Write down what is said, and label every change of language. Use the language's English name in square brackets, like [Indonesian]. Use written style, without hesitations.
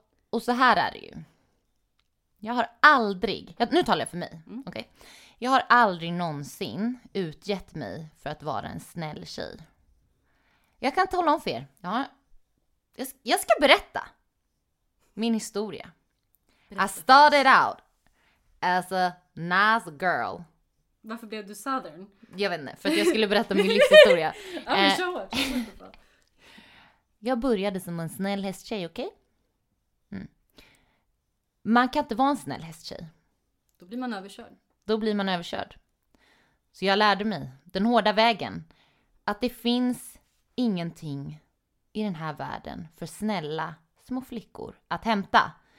[Swedish] Och så här är det ju. Jag har aldrig, nu talar jag för mig, okej. Okay. Jag har aldrig någonsin utgett mig för att vara en snäll tjej. Jag kan inte hålla om för er. Jag ska berätta min historia. Berätta. [English] I started out as a nice girl. [Swedish] Varför blev du southern? Jag vet inte, för att jag skulle berätta min livshistoria. Ja, men kör. Jag började som en snäll hästtjej, okej? Mm. Man kan inte vara en snäll hästtjej. Då blir man överkörd. Då blir man överkörd. Så jag lärde mig den hårda vägen. Att det finns ingenting i den här världen för snälla små flickor att hämta.